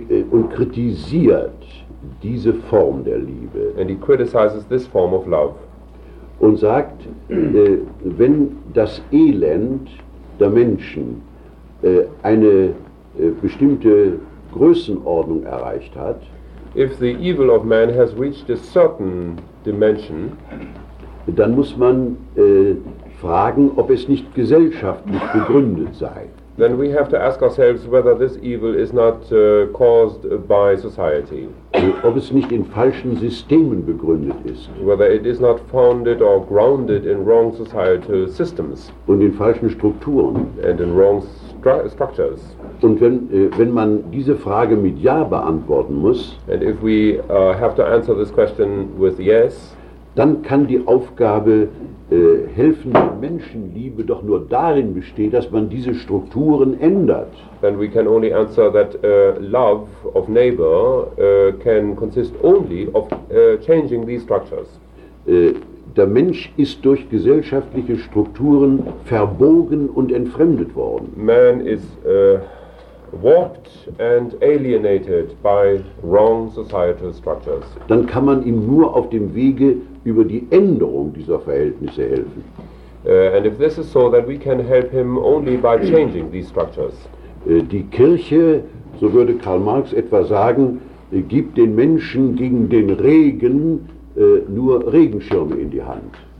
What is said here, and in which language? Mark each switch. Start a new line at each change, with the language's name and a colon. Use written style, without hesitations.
German: und kritisiert diese Form der Liebe,
English: and he criticizes this form of love,
German: und sagt, wenn das Elend der Menschen eine bestimmte Größenordnung erreicht hat,
English: if the evil of man has reached a certain dimension,
German: dann muss man fragen, ob es nicht gesellschaftlich begründet sei.
English: Then we have to ask ourselves whether this evil is not caused by society.
German: Ob es nicht in falschen Systemen begründet ist.
English: Whether it is not founded or grounded in wrong societal systems.
German: Und in falschen Strukturen.
English: And in wrong structures.
German: Und wenn man diese Frage mit Ja beantworten muss,
English: and if we have to answer this question with yes,
German: dann kann die Aufgabe helfende Menschenliebe doch nur darin bestehen, dass man diese Strukturen ändert.
English: Then we can only answer that love of neighbor can consist only of changing these structures.
German: Der Mensch ist durch gesellschaftliche Strukturen verbogen und entfremdet worden.
English: Man is warped and alienated by wrong societal structures.
German: Dann kann man ihm nur auf dem Wege über die Änderung dieser Verhältnisse helfen.
English: And if this is so, then we can help him only by changing these structures.
German: Die Kirche, so würde Karl Marx etwa sagen, gibt den Menschen gegen den Regen nur Regenschirme in die Hand.